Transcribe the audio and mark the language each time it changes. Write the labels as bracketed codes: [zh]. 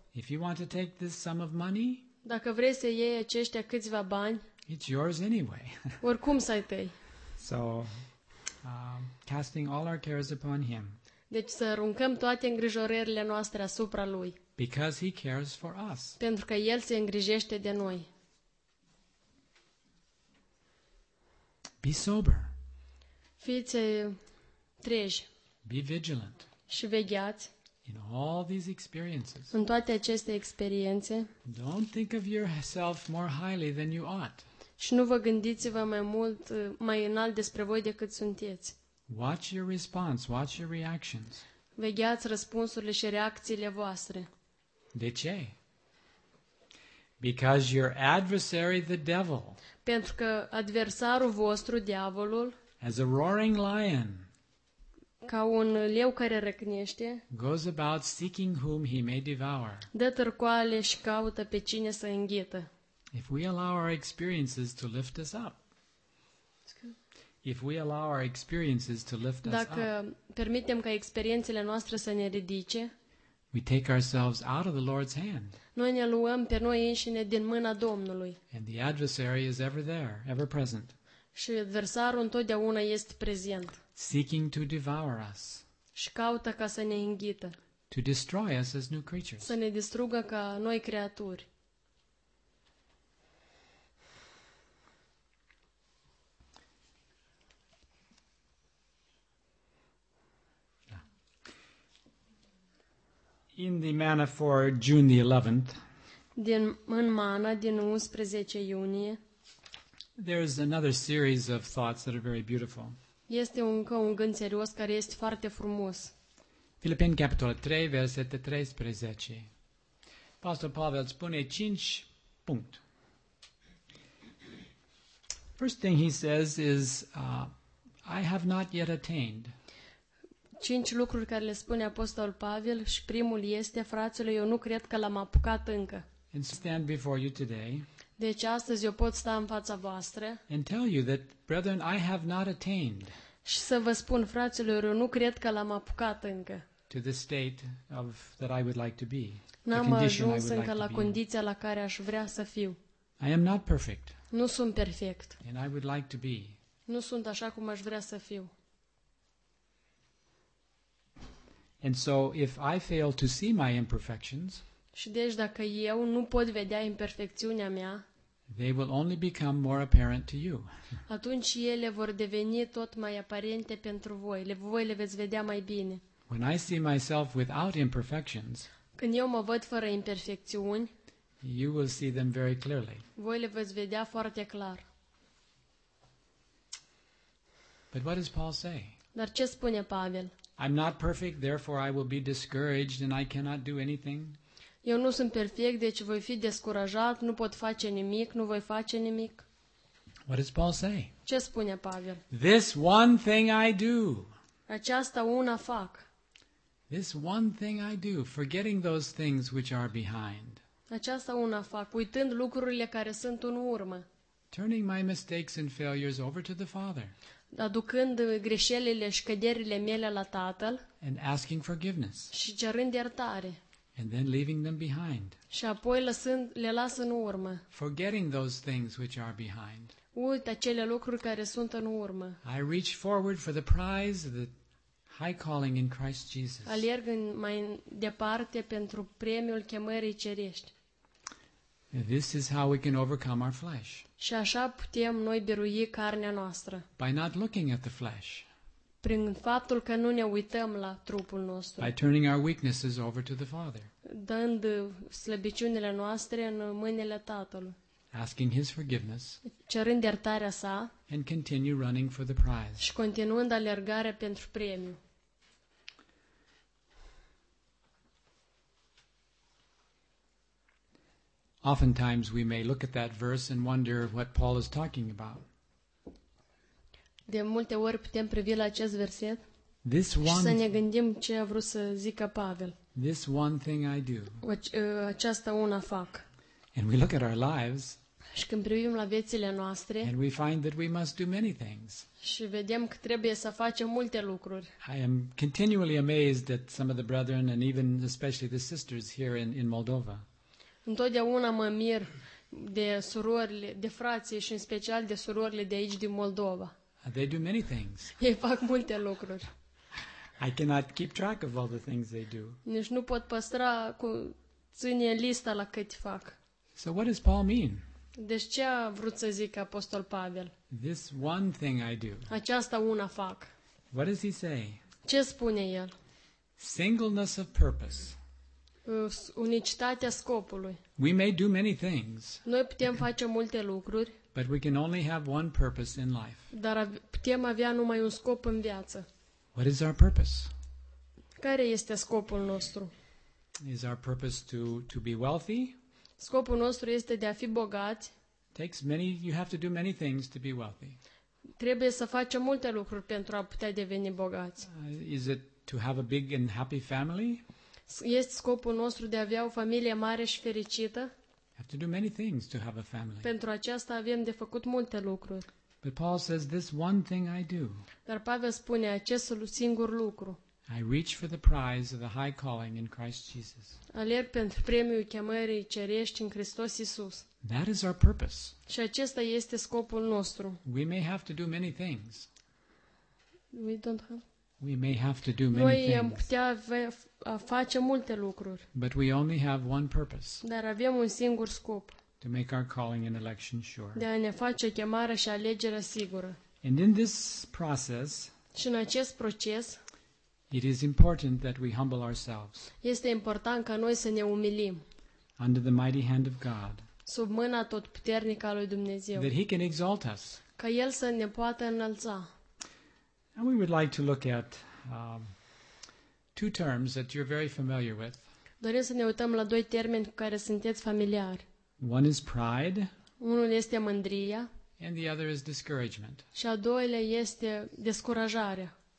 [en] If you want to take this sum of money, [ro] dacă vrei să iei aceștia câțiva bani, [en] it's yours anyway. [ro] Oricum să-i tăi. [en] So, casting all our cares upon him. [ro] Deci să aruncăm toate îngrijorările noastre asupra lui. [en] Because he cares for us. [ro] Pentru că el se îngrijește de noi. [en] Be sober. [ro] Fiți treji. [en] Be vigilant. [ro] Și vegheați. [en] In all these experiences. [ro] În toate aceste experiențe. [en] Don't think of yourself more highly than you ought. [ro] Și nu vă gândiți-vă mai mult, mai înalt despre voi decât sunteți. [en] Watch your response, watch your reactions. [ro] Vegheați răspunsurile și reacțiile voastre. De ce? [en] Because your adversary, the devil, [ro] pentru că adversarul vostru, diavolul, [en] as a roaring lion, [ro] ca un leu care răcnește, [en] goes about seeking whom he may devour. [ro] Dă târcoale și caută pe cine să înghită. [en] If we allow our experiences to lift us up. If we allow our experiences to lift us up. [ro] Dacă permitem ca experiențele noastre să ne ridice, [en] we take ourselves out of the Lord's hand. [ro] Noi ne luăm pe noi înșine din mâna Domnului. [en] And the adversary is ever there, ever present. [ro] Și adversarul întotdeauna este prezent. [en] Seeking to devour us. [ro] Și caută ca să ne înghită. [en] To destroy us as new creatures. [ro] Să ne distrugă ca noi creaturi. [en] In the manna for June the 11th. [ro] Din în mana din 11 iunie. [en] There's another series of thoughts that are very beautiful. [ro] Este încă un gând serios care este foarte frumos. Filipeni capitolul 3 versete 13. Pastor Pavel spune 5 punct. [en] First thing he says is I have not yet attained. [ro] cinci lucruri care le spune Apostolul Pavel și primul este, fraților, eu nu cred că l-am apucat încă. [en] And stand before you today. [ro] Deci astăzi eu pot sta în fața voastră. [en] And tell you that, brethren, I have not attained. [ro] Și să vă spun, fraților, eu nu cred că l-am apucat încă. [en] To the state of that I would like to be. [ro] N-am ajuns încă la condiția la care aș vrea să fiu. [en] I am not perfect. [ro] Nu sunt perfect. [en] And I would like to be. [ro] Nu sunt așa cum aș vrea să fiu. [en] And so if I fail to see my imperfections, [ro] și deci dacă eu nu pot vedea imperfecțiunea mea, [en] they will only become more apparent to you. [ro] Atunci ele vor deveni tot mai aparente pentru voi. Voi le veți vedea mai bine. [en] When I see myself without imperfections, [ro] când eu mă văd fără imperfecțiuni, [en] you will see them very clearly. [ro] Voi le veți vedea foarte clar. [en] But what does Paul say? [ro] Dar ce spune Pavel? [en] I'm not perfect, therefore I will be discouraged and I cannot do anything. [ro] Eu nu sunt perfect, deci voi fi descurajat, nu pot face nimic, nu voi face nimic. [en] What does Paul say? [ro] Ce spune Pavel? [en] This one thing I do. [ro] Aceasta una fac. [en] This one thing I do, forgetting those things which are behind. [ro] Aceasta una fac, uitând lucrurile care sunt în urmă. [en] Turning my mistakes and failures over to the Father. [ro] Aducând greșelile și căderile mele la Tatăl. [en] And asking forgiveness. [ro] Și cerând iertare. [en] And then leaving them behind. [ro] Și apoi lăsând, le las în urmă. [en] Forgetting those things which are behind. [ro] Uit acele lucruri care sunt în urmă. [en] I reach forward for the prize of the high calling in Christ Jesus. [ro] Alerg mai departe pentru premiul chemării cerești. [en] This is how we can overcome our flesh. [ro] Și așa putem noi birui carnea noastră. [en] By not looking at the flesh. [ro] Prin faptul că nu ne uităm la trupul nostru. [en] By turning our weaknesses over to the Father. [ro] Dând slăbiciunile noastre în mâinile Tatălui. [en] Asking his forgiveness. [ro] Cerând iertarea sa. [en] And continue running for the prize. [ro] Și continuând alergarea pentru premiu. [en] Oftentimes we may look at that verse and wonder what Paul is talking about. [ro] De multe ori putem privi la acest verset și să ne gândim ce a vrut să zică Pavel. [en] This one thing I do. [ro] Aceasta una fac. [en] And we look at our lives. [ro] Și când privim la viețile noastre. [en] And we find that we must do many things. [ro] Și vedem că trebuie să facem multe lucruri. [en] I am continually amazed at some of the brethren and even especially the sisters here in Moldova. [ro] Întotdeauna mă mir de surorile, de frații și în special de surorile de aici din Moldova. [en] They do many things. [ro] Ei fac multe lucruri. [en] I cannot keep track of all the things they do. [ro] Nici nu pot păstra cu ține lista la cât fac. [en] So what does Paul mean? [ro] Deci ce a vrut să zică Apostol Pavel? [en] This one thing I do. [ro] Aceasta una fac. [en] What does he say? [ro] Ce spune el? [en] Singleness of purpose. [ro] Unicitatea scopului. [en] We may do many things. [ro] Noi putem face multe lucruri. [en] But we can only have one purpose in life. [ro] Dar putem avea numai un scop în viață. [en] What is our purpose? [ro] Care este scopul nostru? [en] Is our purpose to be wealthy? [ro] Scopul nostru este de a fi bogați. [en] Takes many, you have to do many things to be wealthy. [ro] Trebuie să facem multe lucruri pentru a putea deveni bogați. [en] Is it to have a big and happy family? [ro] Este scopul nostru de a avea o familie mare și fericită? [en] Have to do many things to have a family. [ro] Pentru aceasta avem de făcut multe lucruri. [en] But Paul says this one thing I do. [ro] Dar Pavel spune acest singur lucru. [en] I reach for the prize of the high calling in Christ Jesus. [ro] Alerg pentru premiul chemării cerești în Hristos Iisus. [en] That is our purpose. [ro] Și acesta este scopul nostru. [en] We may have to do many things. We don't have. We may have to do many things. [ro] Noi am putea face multe lucruri. [en] But we only have one purpose. [ro] Dar avem un singur scop. [en] To make our calling and election sure. [ro] De a ne face chemarea și alegerea sigură. [en] And in this process, [ro] și în acest proces, [en] it is important that we humble ourselves. [ro] Este important ca noi să ne umilim. [en] Under the mighty hand of God. [ro] Sub mâna tot puternică a lui Dumnezeu. [en] That he can exalt us. [ro] Ca el să ne poată înălța. [en] And we would like to look at two terms that you're very familiar with. [ro] Dorim să ne uităm la doi termeni cu care sunteți familiari. [en] One is pride. [ro] Unul este mândria. [en] And the other is discouragement. [ro] Și al doilea este descurajarea.